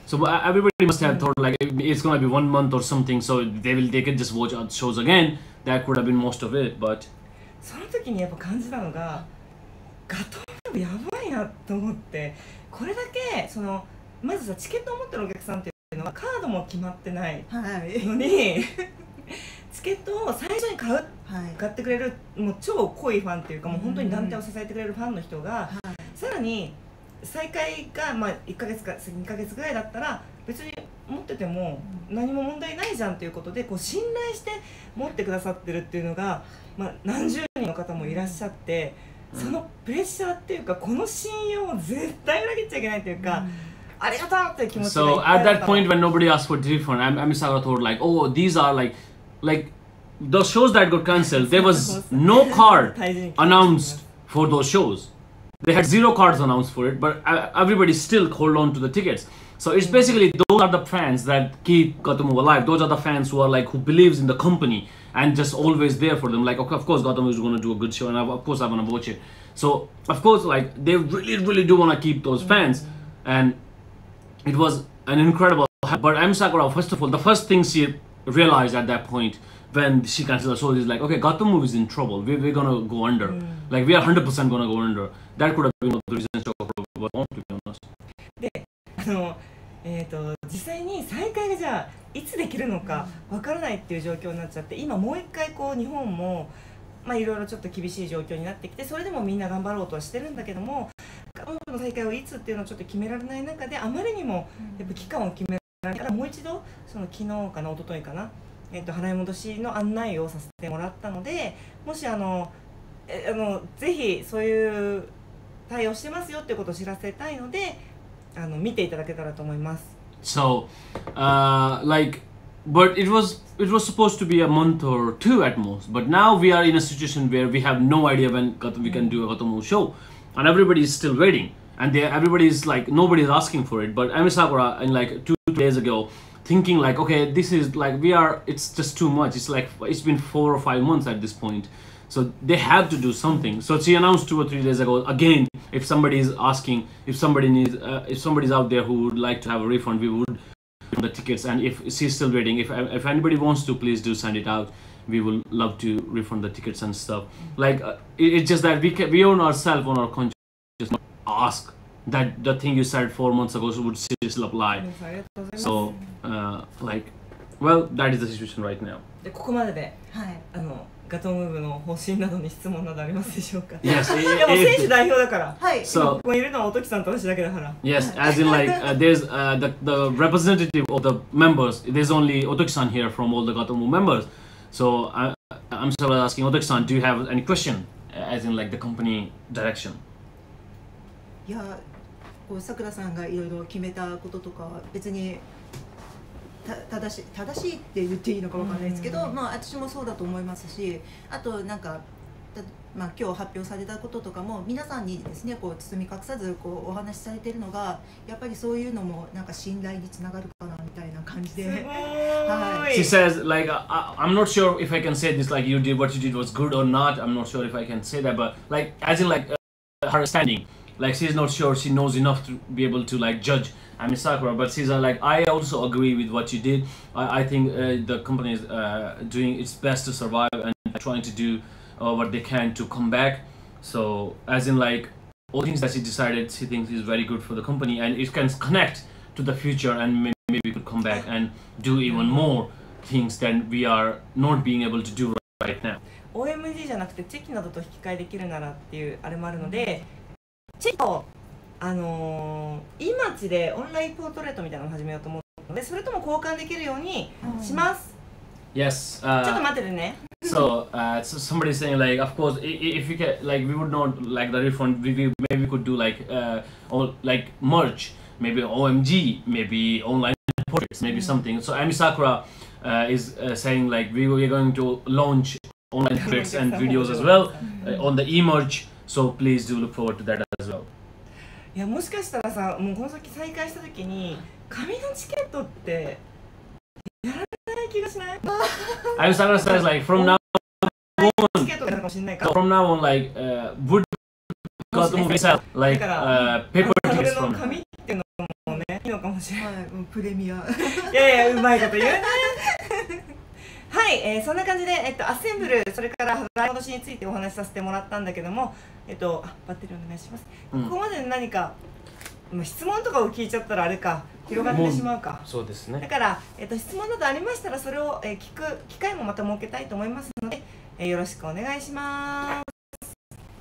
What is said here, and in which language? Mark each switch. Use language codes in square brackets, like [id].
[en] So everybody must have thought like it's gonna be one month or something, so they can just watch shows again. That could have been most of it, but [ja] その時にやっぱ感じたのがガトーヌーブやばいなと思って、これだけそのまずさチケットを持ってるお客さんっていうのはカードも決まってないのに、はい、チケットを最初に買う、はい、買ってくれるもう超濃いファンっていうか、もう本当に団体を支えてくれるファンの人が、はい、さらに再開がまあ1ヶ月か2ヶ月ぐらいだったら別に持ってても何も問題ないじゃんということで、こう信頼して持ってくださってるっていうのがまあ何十人の方もいらっしゃって、そのプレッシャーっていうかこの信用を絶対裏切っちゃいけないというか、ありがとうっていう気持ちがいっぱいだった。 [en] So at that point when nobody asked for the refund, Ami Sagara told like, oh, these are like those shows that got cancelled, there was no card announced for those shows. They had zero cards announced for it, but everybody still hold on to the tickets. So it's basically those are the fans that keep Gautamu alive. Those are the fans who are like, who believes in the company and just always there for them. Like, okay, of course, Gautamu is going to do a good show and of course I want to watch it. So of course, like they really, really do want to keep those fans. And it was an incredible help. But Ami Sakurada, first of all, the first thing she realized at that point when she canceled the show is like, okay, Gautamu is in trouble. We're going to go under. Like we are 100% going to go under. That could have been the reason to go for what I want to be honest. [ja] で、実際に再開がじゃあいつできるのか分からないっていう状況になっちゃって、今もう一回こう日本もまあいろいろちょっと厳しい状況になってきて、それでもみんな頑張ろうとはしてるんだけども、ガトムーブの再開をいつっていうのをちょっと決められない中で、あまりにもやっぱ期間を決められないから、もう一度その昨日かな一昨日かな、払い戻しの案内をさせてもらったので、もしぜひそういう対応してますよってことを知らせたいので、見ていただけたらと思います。 So like but it was supposed to be a month or two at most, but now we are in a situation where we have no idea when we can do a Gautamu show and everybody is still waiting and everybody is like nobody is asking for it, but Ami Sakurada in like two days ago thinking like okay this is like we are it's just too much, it's like it's been 4 or 5 months at this pointSo they have to do something. So she announced 2 or 3 days ago, again, if somebody is asking, if somebody is out there who would like to have a refund, we would get the tickets. And if she's still waiting, if anybody wants to, please do send it out. We would love to refund the tickets and stuff. Like, it's just that we own ourselves on our conscience, just not ask that the thing you said 4 months ago would still apply. So, that is the situation right now. ここまでで、はい、ガトムーブの方針などに質問などありますでしょうか。 [en] Yes, [ja] でも選手代表だから。はい。 [en] So, [ja] ここにいるのはおときさんと私だけだから。 [en] Yes, as in like there's the representative of the members. There's only おときさん here from all the Gautamu members. So I'm still asking おときさん, do you have any question? As in like the company direction. [ja] いや、こうさくらさんがいろいろ決めたこととか別に。正しいって言っていいのかわからないですけど、まあ、私もそうだと思いますし、あとなんか、まあ、今日発表されたこととかも皆さんにですねこう包み隠さずこうお話しされているのがやっぱりそういうのもなんか信頼につながるかなみたいな感じで、すごい、はい、 [en] She says like I'm not sure if I can say this like you did what you did was good or not, I'm not sure if I can say that, but like as in like her standing like she's not sure she knows enough to be able to like judgeAmi Sakurada, but she's like, I also agree with what you did. I think the company is doing its best to survive and trying to do what they can to come back. So, as in like, all things that she decided, she thinks is very good for the company, and it can connect to the future, and maybe we could come back and do even more things than we are not being able to do right now. [ja] OMG じゃなくてチェキなどと引き換えできるならっていうあれもあるので、チェキと今地でオンラインポートレートみたいなのを始めようと思うので、それとも交換できるようにします。 [en] Yes. So somebody saying like, of course, if we get like, we would not like the refund. We maybe could do like, like merch, maybe OMG, maybe online products, maybe something. So Ami Sakura is saying like, we are going to launch online products and videos as well on the eMerch. So please do look forward to that as well. [ja] Yeah, もしかしたらさ、もうこの先再開した時に紙のチケットって。 [en] I'm Sakura says like from now on like would go to movie sell like paper tickets from [ja] はい、そんな感じで、アッセンブル、それから払い戻しについてお話しさせてもらったんだけども、バッテリーお願いします。ここまで何か質問とかを聞いちゃったらあれか、広がってしまうか。そうですね。だから、質問などありましたら、それを聞く機会もまた設けたいと思いますので、よろしくお願いします。